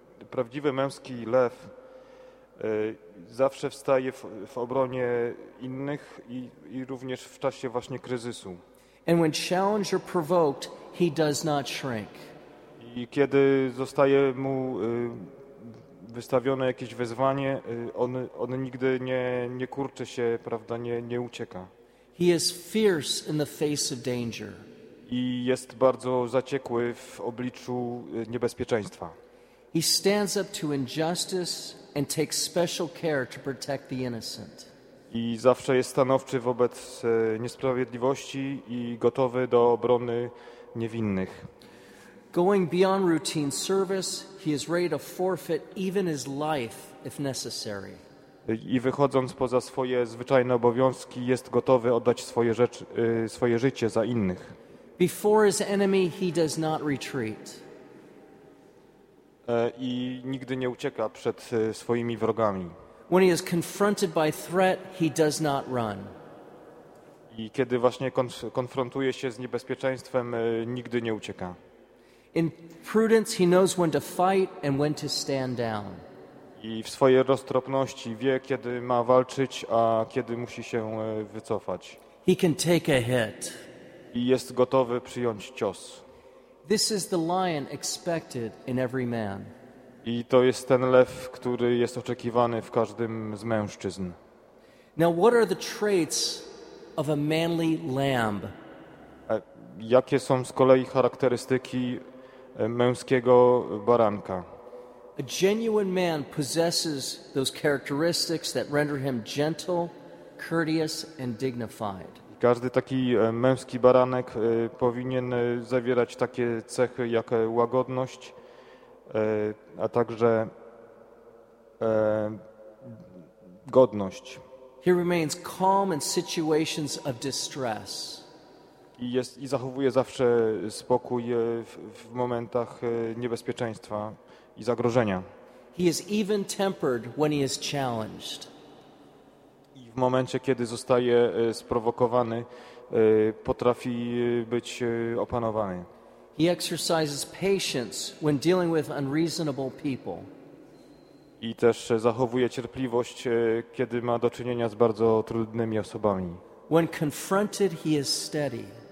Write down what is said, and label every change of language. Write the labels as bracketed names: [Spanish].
[Polish] Prawdziwy męski lew zawsze wstaje w obronie innych i również w czasie właśnie kryzysu. [English] And when challenged or provoked, he does not shrink. [Polish] I kiedy zostaje mu wystawione jakieś wyzwanie, on nigdy nie kurczy się, prawda, nie ucieka. [English] He is fierce in the face of danger. [Polish] I jest bardzo zaciekły w obliczu niebezpieczeństwa. [English] He stands up to injustice and takes special care to protect the innocent. [Polish] I zawsze jest stanowczy wobec niesprawiedliwości i gotowy do obrony niewinnych. [English] Going beyond routine service, he is ready to forfeit even his life if necessary. [Polish] I wychodząc poza swoje zwyczajne obowiązki, jest gotowy oddać swoje życie za innych. [English] Before his enemy, he does not retreat. [Polish] I nigdy nie ucieka przed swoimi wrogami. [English] When he is confronted by threat, he does not run. [Polish] I kiedy właśnie konfrontuje się z niebezpieczeństwem, nigdy nie ucieka. [English] In prudence, he knows when to fight and when to stand down. [Polish] I w swojej roztropności wie, kiedy ma walczyć, a kiedy musi się wycofać. [English] He can take a hit. [Polish] I jest gotowy przyjąć cios. [English] This is the lion expected in every man. [Polish] I to jest ten lew, który jest oczekiwany w każdym z mężczyzn. [English] Now, what are the traits of a manly lamb? [Polish] Jakie są z kolei charakterystyki męskiego baranka. [English] A genuine man possesses those characteristics that render him gentle, courteous and dignified. [Polish] Każdy taki męski baranek powinien zawierać takie cechy jak łagodność, a także godność. [English] He remains calm in situations of distress. [Polish] I zachowuje zawsze spokój w momentach niebezpieczeństwa i zagrożenia. [English] He is even tempered when he is challenged. [Polish] I w momencie, kiedy zostaje sprowokowany, potrafi być opanowany. [English] He exercises patience when dealing with unreasonable people. [Polish] I też zachowuje cierpliwość, kiedy ma do czynienia z bardzo trudnymi osobami. [English] When confronted, he is steady.